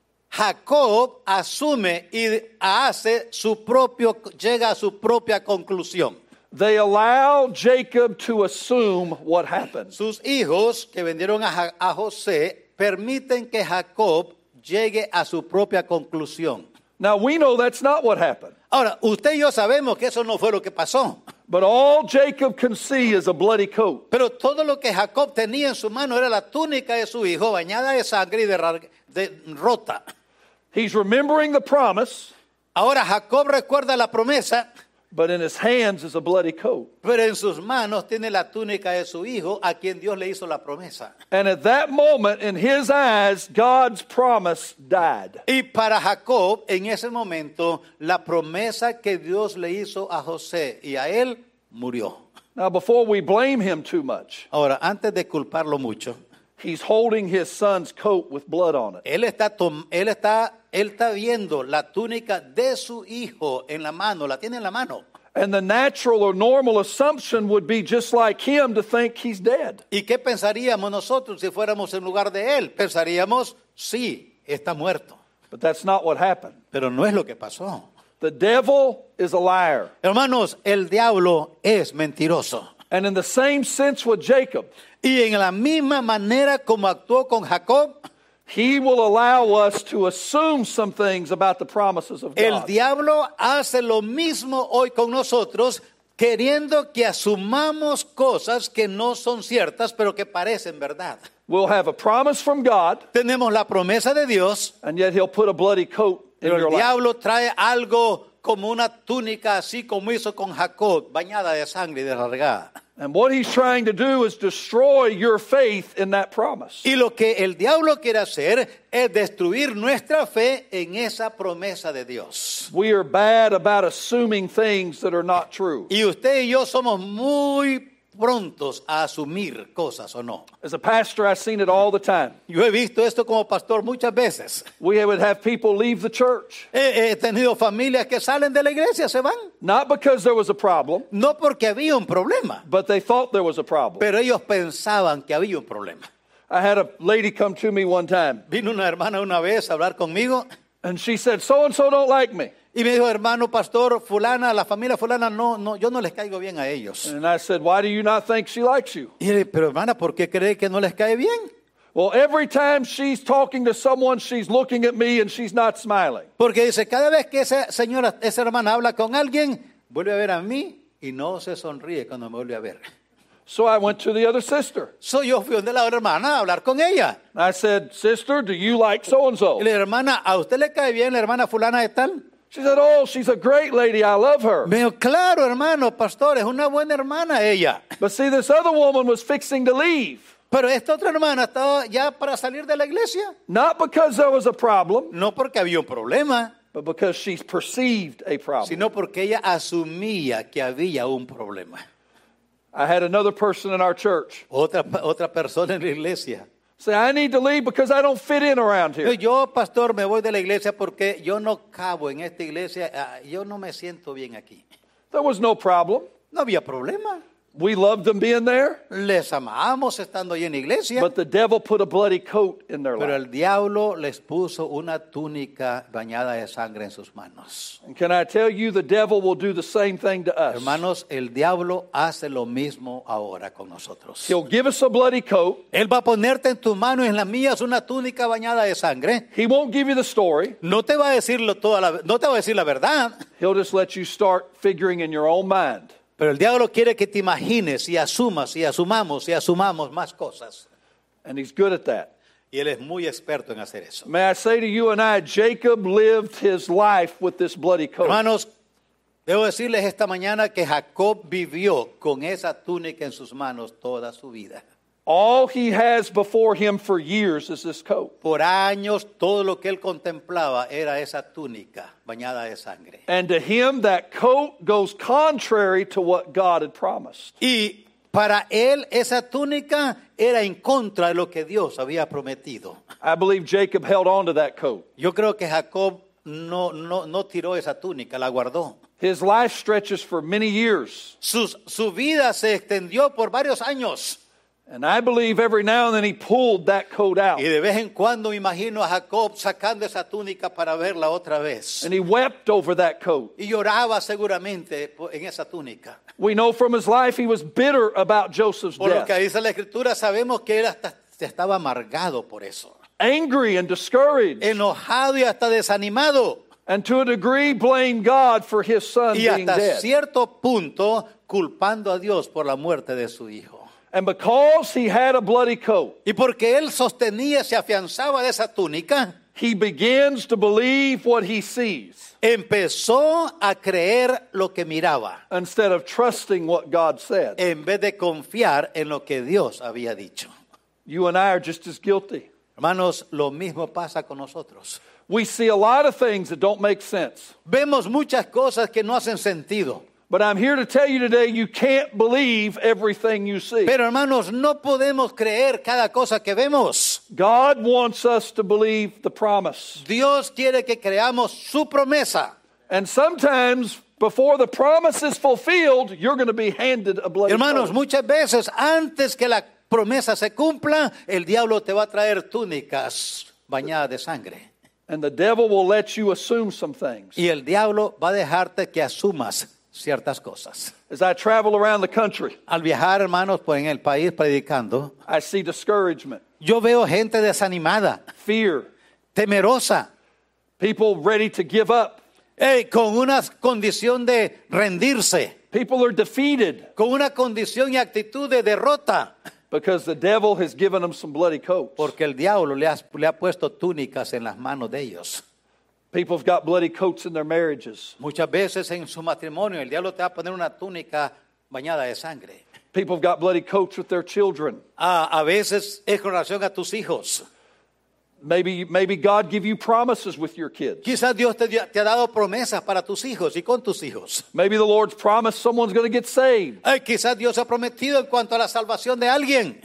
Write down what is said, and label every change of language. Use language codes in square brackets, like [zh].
[es] Jacob asume y hace su propio, llega a su propia conclusión. [en] They allow Jacob to assume what happened. [es] Sus hijos que vendieron a José permiten que Jacob llegue a su propia conclusión. [en] Now we know that's not what happened. [es] Ahora, usted y yo sabemos que eso no fue lo que pasó. [en] But all Jacob can see is a bloody coat. [es] Pero todo lo que Jacob tenía en su mano era la túnica de su hijo bañada de sangre y de rota. [en] He's remembering the promise. [es] Ahora Jacob recuerda la promesa. [en] But in his hands is a bloody coat. [es] Pero en sus manos tiene la túnica de su hijo a quien Dios le hizo la promesa. [en] And at that moment in his eyes God's promise died. [es] Y para Jacob en ese momento la promesa que Dios le hizo a José y a él murió. [en] Now before we blame him too much. [es] Ahora antes de culparlo mucho. [en] He's holding his son's coat with blood on it. [es] Él está viendo la túnica de su hijo en la mano, la tiene en la mano. [en] And the natural or normal assumption would be just like him to think he's dead. [es] ¿Y qué pensaríamos nosotros si fuéramos en lugar de él? Pensaríamos, sí, está muerto. [en] But that's not what happened. [es] Pero no es lo que pasó. [en] The devil is a liar. [es] Hermanos, el diablo es mentiroso. [en] And in the same sense with Jacob. [es] Y en la misma manera como actuó con Jacob, [en] he will allow us to assume some things about the promises of God. [es] El diablo hace lo mismo hoy con nosotros, queriendo que asumamos cosas que no son ciertas, pero que parecen verdad. [en] We'll have a promise from God. [es] Tenemos la promesa de Dios. [en] And yet he'll put a bloody coat in your life. [es] El diablo trae algo como una túnica, así como hizo con Jacob, bañada de sangre y de rasgada. [en] And what he's trying to do is destroy your faith in that promise. [es] Y lo que el diablo quiere hacer es destruir nuestra fe en esa promesa de Dios. [en] We are bad about assuming things that are not true. [es] Y usted y yo somos muy prontos a asumir cosas o no. [en] As a pastor, I've seen it all the time. [es] Yo he visto esto como pastor muchas veces. [en] We would have people leave the church. [es] He tenido familias que salen de la iglesia, se van. [en] Not because there was a problem. [es] No porque había un problema. [en] But they thought there was a problem. [es] Pero ellos pensaban que había un problema. [en] I had a lady come to me one time. [es] Vino una hermana una vez a hablar conmigo. [en] And she said, "So and so don't like me." [es] Y me dijo, hermano, pastor, fulana, la familia fulana, no, yo no les caigo bien a ellos. [en] And I said, why do you not think she likes you? [es] Y le, pero hermana, ¿por qué cree que no les cae bien? [en] Well, every time she's talking to someone, she's looking at me and she's not smiling. [es] Porque dice, cada vez que esa señora, esa hermana habla con alguien, vuelve a ver a mí y no se sonríe cuando me vuelve a ver. [en] So I went to the other sister. [es] So yo fui donde la otra hermana a hablar con ella. [en] I said, sister, do you like so-and-so? [es] Y la hermana, ¿a usted le cae bien la hermana fulana de tal? [en] She said, "Oh, she's a great lady. I love her." [es] Me dijo, claro, hermano, pastor, es una buena hermana ella. [en] But see, this other woman was fixing to leave. [es] Pero esta otra hermana estaba ya para salir de la iglesia. [en] Not because there was a problem. [es] No porque había un problema. [en] But because she perceived a problem. [es] Sino porque ella asumía que había un problema. [en] I had another person in our church. [es] Otra persona en la iglesia. [en] Say, I need to leave because I don't fit in around here. [es] Yo, pastor, me voy de la iglesia porque yo no cabo en esta iglesia. Yo no me siento bien aquí. [en] There was no problem. [es] No había problema. [en] We loved them being there. [es] Les amamos estando ahí en la iglesia. [en] But the devil put a bloody coat in their life. [es] Pero el diablo les puso una túnica bañada de sangre en sus manos. [en] And can I tell you, the devil will do the same thing to us. [es] Hermanos, el diablo hace lo mismo ahora con nosotros. [en] He'll give us a bloody coat. [es] Él va a ponerte en tu mano, en las mías, una túnica bañada de sangre. [en] He won't give you the story. [es] No te va a decirlo toda la, no te va a decir la verdad. [en] He'll just let you start figuring in your own mind. [es] Pero el diablo quiere que te imagines y asumas y asumamos y asumamos más cosas. [en] And he's good at that. [es] Y él es muy experto en hacer eso. [en] May I say to you and I, Jacob lived his life with this bloody coat. [es] Hermanos, debo decirles esta mañana que Jacob vivió con esa túnica en sus manos toda su vida. [en] All he has before him for years is this coat. [es] Por años, todo lo que él contemplaba era esa túnica bañada de sangre. [en] And to him, that coat goes contrary to what God had promised. [es] Y para él, esa túnica era en contra de lo que Dios había prometido. [en] I believe Jacob held on to that coat. [es] Yo creo que Jacob no tiró esa túnica, la guardó. [en] His life stretches for many years. [es] Su vida se extendió por varios años. [en] And I believe every now and then he pulled that coat out. [es] Y de vez en cuando imagino a Jacob sacando esa túnica para verla otra vez. [en] And he wept over that coat. [es] Y lloraba seguramente en esa túnica. [en] We know from his life he was bitter about Joseph's death. [es] Por lo que dice la escritura sabemos que él hasta estaba amargado por eso. [en] Angry and discouraged. [es] Enojado y hasta desanimado. [en] And to a degree blamed God for his son being dead. [es] Y hasta cierto punto culpando a Dios por la muerte de su hijo. [en] And because he had a bloody coat, [es] y porque él sostenía, se afianzaba de esa túnica, [en] he begins to believe what he sees. [es] Empezó a creer lo que miraba. [en] Instead of trusting what God said. [es] En vez de confiar en lo que Dios había dicho. [en] You and I are just as guilty. [es] Hermanos, lo mismo pasa con nosotros. [en] We see a lot of things that don't make sense. [es] Vemos muchas cosas que no hacen sentido. [en] But I'm here to tell you today, you can't believe everything you see. [es] Pero hermanos, no podemos creer cada cosa que vemos. [en] God wants us to believe the promise. [es] Dios quiere que creamos su promesa. [en] And sometimes, before the promise is fulfilled, you're going to be handed a bloody [es] hermanos, [en] coat. [es] Muchas veces, antes que la promesa se cumpla, el diablo te va a traer túnicas bañadas de sangre. [en] And the devil will let you assume some things. [es] Y el diablo va a dejarte que asumas ciertas cosas. [en] As I travel around the country, [es] al viajar, hermanos, pues en el país predicando, [en] I see discouragement. [es] Yo veo gente desanimada, [en] fear, [es] temerosa, [en] people ready to give up, [es] con una condición de rendirse, [en] people are defeated, [es] con una condición y actitud de derrota, [en] because the devil has given them some bloody coats, [es] porque el diablo le ha puesto túnicas en las manos de ellos. [en] People have got bloody coats in their marriages. [es] Muchas veces en su matrimonio el diablo te va a poner una túnica bañada de sangre. [en] People have got bloody coats with their children. [es] A veces es con relación a tus hijos. [en] Maybe God give you promises with your kids. [es] Quizás Dios te ha dado promesas para tus hijos y con tus hijos. [en] Maybe the Lord's promised someone's going to get saved. [es] Quizás Dios ha prometido en cuanto a la salvación de alguien.